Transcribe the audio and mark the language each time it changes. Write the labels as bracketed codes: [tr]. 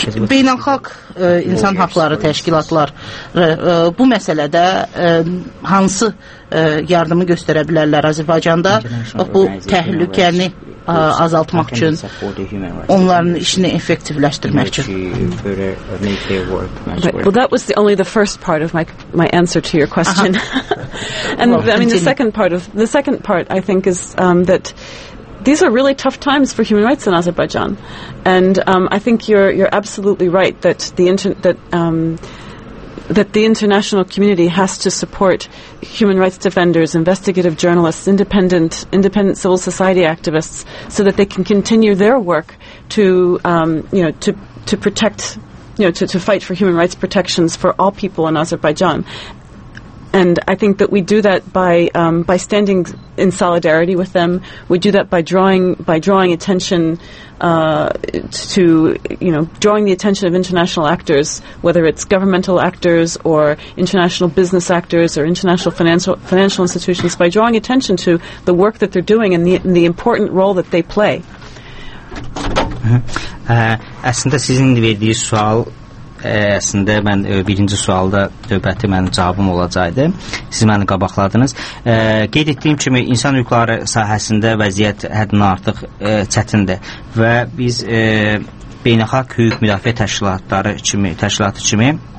[az] Beynəlxalq insan haqları təşkilatlar bu məsələdə hansı yardımı göstərə bilərlər Azərbaycanda bu təhlükəni azaltmaq üçün, onların işini effektivləşdirmək üçün. [en] Right. Well, that was the, only the first part of my answer to your question. And well, I mean, the second part, I think, is that these are really tough times for human rights in Azerbaijan. And I think you're absolutely right that the international community has to support human rights defenders, investigative journalists, independent civil society activists, so that they can continue their work to fight for human rights protections for all people in Azerbaijan. And I think that we do that by standing in solidarity with them. We do that by drawing attention drawing the attention of international actors, whether it's governmental actors or international business actors or international financial institutions, by drawing attention to the work that they're doing and the important role that they play. [az] Əslində sizin verdiyiniz sual. Əslində mən birinci sualda növbəti mənim cavabım olacaqdı. Siz məni qabaqladınız. Qeyd etdiyim kimi insan hüquqları sahəsində vəziyyət həddindən artıq çətindir və biz beynəlxalq hüquq müdafiə təşkilatı kimi